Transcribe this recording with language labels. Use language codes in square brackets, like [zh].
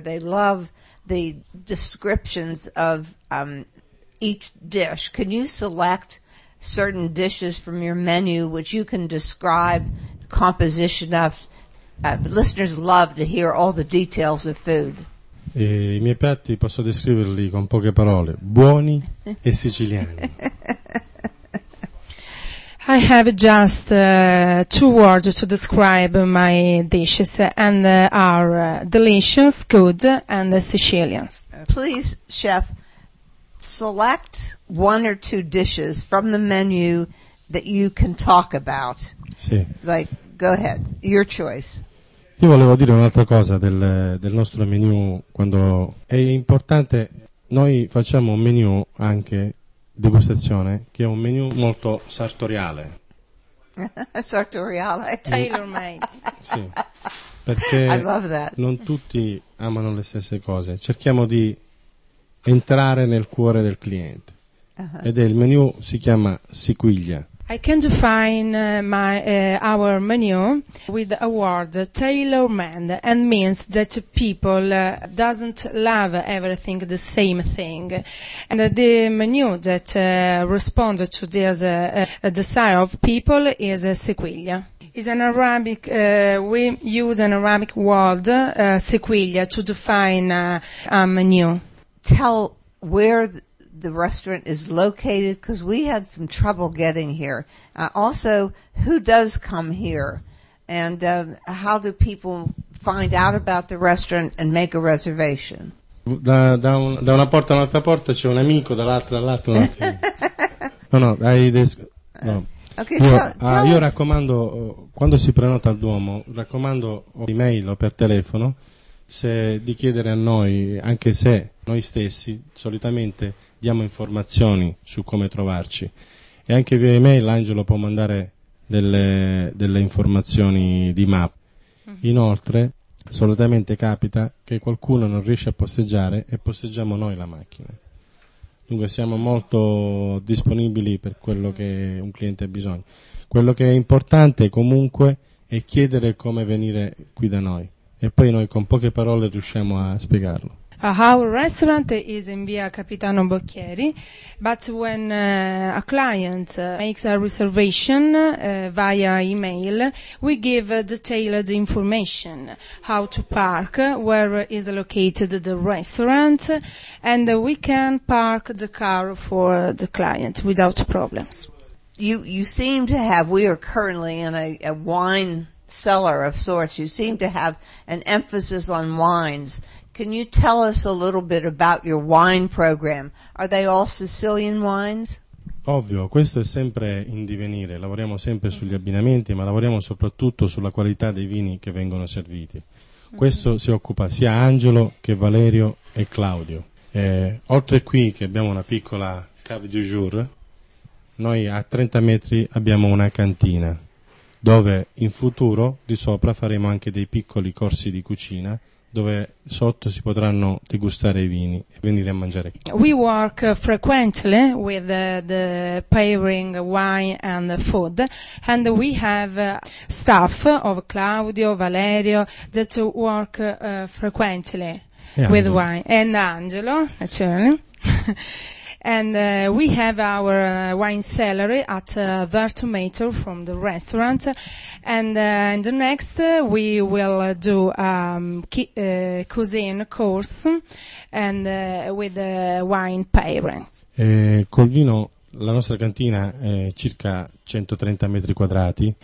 [en] They love the descriptions of each dish. Can you select certain dishes from your menu which you can describe the composition of? Listeners love to hear all the details of food. [it] E i miei piatti posso descriverli con poche parole: buoni e siciliani. [en] I have just two words to describe my dishes, and are delicious, good, and Sicilian. Please, chef, select one or two dishes from the menu that you can talk about. [it] Sì. [en] Like, go ahead, your choice. [it] Io volevo dire un'altra cosa del nostro menu. Quando è importante, noi facciamo un menu anche degustazione, che è un menu molto sartoriale. Sartoriale, [en] tailor-made. [it] Sì, perché non tutti amano le stesse cose. Cerchiamo di entrare nel cuore del cliente. Uh-huh. Ed è il menu si chiama Siquiglia. [en] I can define our menu with a word tailor-made, and means that people doesn't love everything the same thing. And the menu that responds to this desire of people is Siquiglia. Is an Arabic, we use an Arabic word, Siquiglia, to define a menu. Tell where the restaurant is located, because we had some trouble getting here. Also, who does come here, and how do people find out about the restaurant and make a reservation? [it] Da una porta all'altra porta c'è un amico, dall'altra all'altra. No. Okay, io raccomando, quando si prenota al Duomo, raccomando per email o per telefono, se di chiedere a noi, anche se noi stessi solitamente diamo informazioni su come trovarci, e anche via email Angelo può mandare delle informazioni di map. Inoltre solitamente capita che qualcuno non riesce a posteggiare e posteggiamo noi la macchina. Dunque siamo molto disponibili per quello che un cliente ha bisogno. Quello che è importante comunque è chiedere come venire qui da noi, e poi noi con poche parole riusciamo a spiegarlo. [en] Our restaurant is in Via Capitano Bocchieri, but when a client makes a reservation via email, we give detailed information, how to park, where is located the restaurant, and we can park the car for the client without problems. You seem to have, we are currently in a wine cellar of sorts, you seem to have an emphasis on wines. Can you tell us a little bit about your wine program? Are they all Sicilian wines? [it] Ovvio, questo è sempre in divenire. Lavoriamo sempre sugli abbinamenti, ma lavoriamo soprattutto sulla qualità dei vini che vengono serviti. Questo si occupa sia Angelo che Valerio e Claudio. Oltre qui, che abbiamo una piccola cave du jour, noi a 30 metri abbiamo una cantina, dove in futuro di sopra faremo anche dei piccoli corsi di cucina, dove sotto si potranno degustare i vini e venire a mangiare. [en] We work frequently with the pairing wine and food, and we have staff of Claudio, Valerio, that work frequently with wine. And Angelo, naturally. And we have our wine cellar at Vertumator from the restaurant. And in the next, we will do a cuisine course and with the wine parents. [it] Col vino, la nostra cantina è circa 130 metri quadrati.